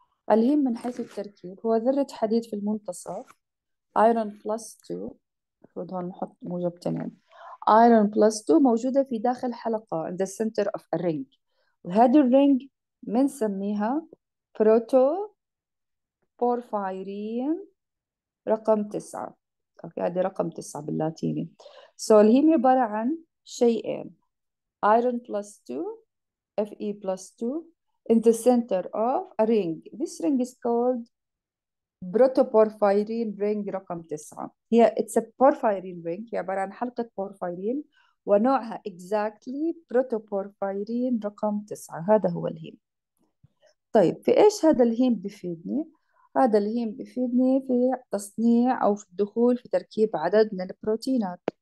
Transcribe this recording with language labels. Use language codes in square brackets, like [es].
[ar] الهيم من حيث التركيب هو ذرة حديد في المنتصف، ايرون بلس 2، المفروض هون نحط موجب تنين، ايرون بلس 2 موجودة في داخل حلقة [en] in the center of a ring، [ar] وهذه الرينج بنسميها بروتو بورفايرين رقم 9. اوكي، هذه رقم 9 باللاتيني. سو الهيم عبارة عن شيئين، ايرون بلس 2 اف اي بلس 2 [en] in the center of a ring. This ring is called protoporphyrin ring رقم 9. [ar] هي [en] it's a porphyrin ring، [ar] هي عبارة عن حلقة بورفايرين ونوعها exactly بروتوبورفايرين رقم 9، هذا هو الهيم. طيب في إيش هذا الهيم بفيدني؟ هذا الهيم بفيدني في تصنيع أو في الدخول في تركيب عدد من البروتينات.